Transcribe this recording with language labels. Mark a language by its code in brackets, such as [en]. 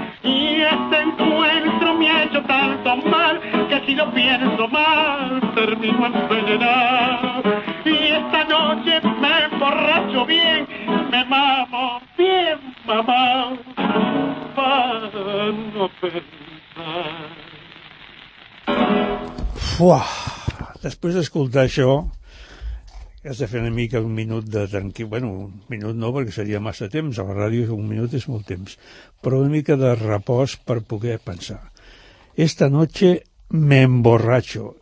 [es] Y este encuentro me ha hecho tanto mal, que si lo pienso mal, termino envenenado. Y esta noche me emborracho bien, me mamo bien mamao, para no pensar. Fuà! [ca] Després d'escoltar això, has de fer una mica un minut de tranquil... Bueno, un minut no, perquè seria massa temps. A la ràdio un minut és molt temps. Però una mica de repòs per poder pensar. [es] Esta noche me emborracho.